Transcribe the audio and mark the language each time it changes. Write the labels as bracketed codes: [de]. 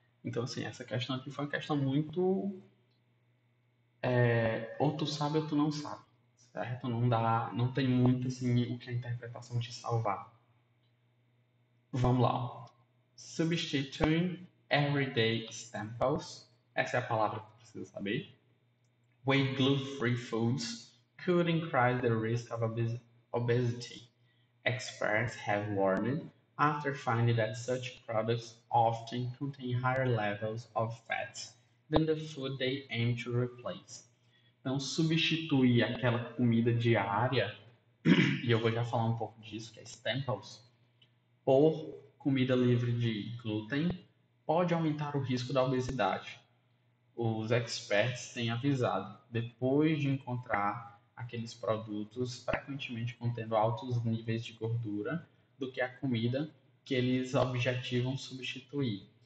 [pt] Então assim, essa questão aqui foi uma questão muito ou tu sabe ou tu não sabe, certo? Não dá, não tem muito assim o que a interpretação te salvar. Vamos lá. [en] Substituting everyday staples, [pt] essa é a palavra que tu precisa saber. [en] Whey gluten-free foods could increase the risk of obesity. Experts have warned after finding that such products often contain higher levels of fats than the food they aim to replace. [pt] Então, substituir aquela comida diária, e eu vou já falar um pouco disso, que é Stemples, por comida livre de glúten, pode aumentar o risco da obesidade. Os experts têm avisado, depois de encontrar aqueles produtos frequentemente contendo altos níveis de gordura do que a comida que eles objetivam substituir.